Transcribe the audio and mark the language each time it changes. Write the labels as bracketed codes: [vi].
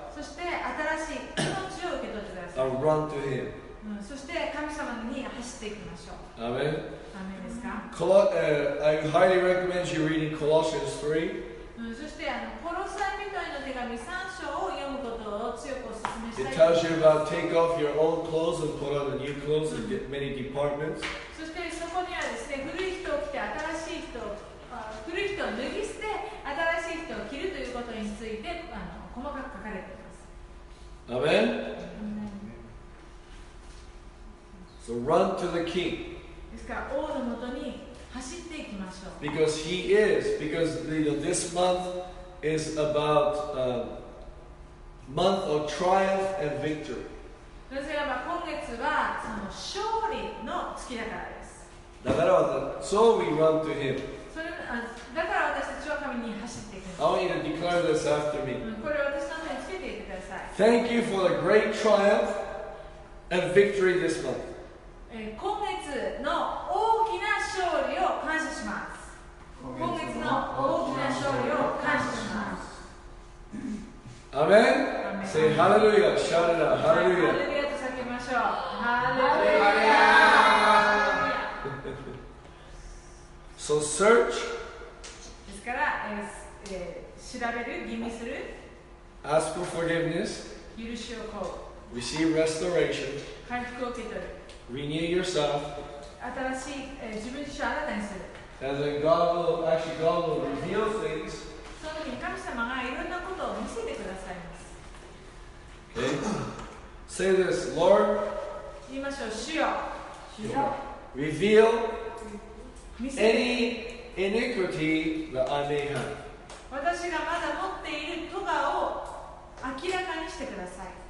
[ja] そして新しい命を受け取ってください。 [en] I'll run to him. [ja] そして神様に走っていきましょう。アメン。アメンですか？ [en] I highly recommend you reading Colossians 3. [ja] そしてコロサイ人への手紙3章を読むことを強くお勧めしたい。 [en] It tells you about take off your old clothes and put on the new clothes and get many departments. [ja] そしてそこにはですね、古い人を着て新しい人を、古い人を脱ぎ捨て新しい人を着るということについて細かく書かれています。アメン。 [en] So run to the king. [ja] ですから王のもとに走っていきましょう。 [en] Because he is, because you know, this month is about a month of triumph and victory. [ja] なぜならば今月はその勝利の月だからです。だから私、 [en] so we run to him. [ja] それだから私たちは神に走っていき [en] ます。I want you to declare this after me. [ja] これを私の前につけていてください。 [en] Thank you for the great triumph and victory this month. [ja] 今月の大きな勝利を感謝します。今月の大きな勝利を感謝します。アメン。セハレルヤ、シャレラ、ハレルヤ。ハレルヤと叫びましょう。ハレルヤ。ルヤ [en] so search。 [ja] ですから、調べる、吟味する。 [en] Ask for forgiveness。 [ja] 許しを請う。 [en] Receive restoration。 [ja] 回復を受け取る。 [en] Renew yourself. [ja] 新しい、自分自身をあなたにする。 [en] And then God will, actually God will reveal things. [ja] その時に神様がいろんなことを見せてくださいます。 [en] Okay. Say this, Lord. [ja] 言いましょう、主よ。主よ。 [en] Reveal any iniquity that I may have. [ja] 私がまだ持っているトガを明らかにしてください。